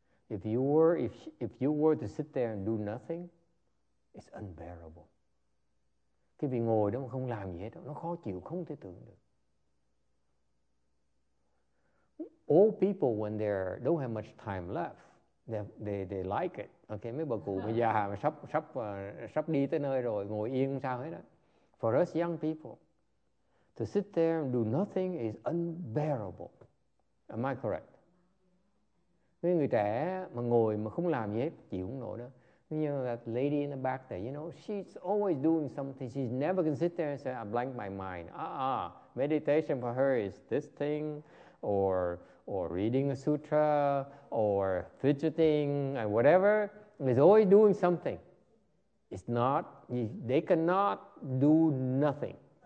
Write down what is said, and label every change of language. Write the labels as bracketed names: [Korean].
[English] If you were to sit there and do nothing, it's unbearable. [Vietnamese] Cái vì ngồi đó mà không làm gì hết, nó khó chịu, không thể tưởng được. [English] Old people, when they don't have much time left, they like it. [Vietnamese] Okay, mấy bà cụ mà già mà sắp đi tới nơi rồi, ngồi yên sao hết đó. [English] For us young people, to sit there and do nothing is unbearable. Am I correct? [Vietnamese] Mấy người trẻ mà ngồi mà không làm gì hết, chịu không nổi đó. [English] You know that lady in the back there, you know, she's always doing something. She's never can sit there and say, I blank my mind. Meditation for her is this thing, or reading a sutra, or fidgeting, and whatever. is always doing something. It's not, they cannot do nothing.